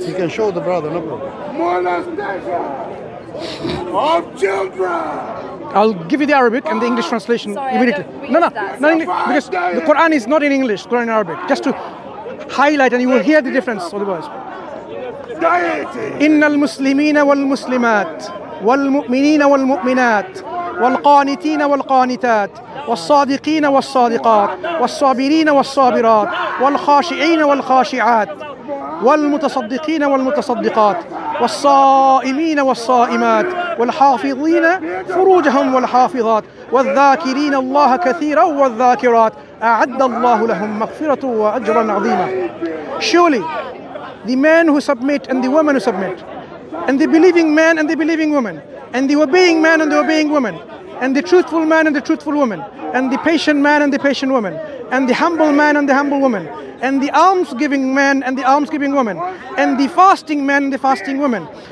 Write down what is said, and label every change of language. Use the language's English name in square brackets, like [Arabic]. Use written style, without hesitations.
[English] You can show the brother, no problem. Molestation of children! I'll give you the Arabic and the English translation immediately. Because the Quran is not in English, the Quran in Arabic. Just to highlight, and you will hear the difference of the words. [Arabic] إن المسلمين والمسلمات والمؤمنين والمؤمنات والقانتين والقانتات والصادقين والصادقات والصابرين والصابرات والخاشعين والخاشعات والمتصدقين والمتصدقات والصائمين والصائمات والحافظين فروجهم والحافظات والذاكرين الله كثيرا والذاكرات أعد الله لهم مغفرة وأجرا عظيما. [English] Surely the men who submit and the women who submit, and the believing men and the believing women, and the obeying men and the obeying women, and the truthful man and the truthful woman, and the patient man and the patient woman, and the humble man and the humble woman, and the almsgiving man and the almsgiving woman, and the fasting man and the fasting woman,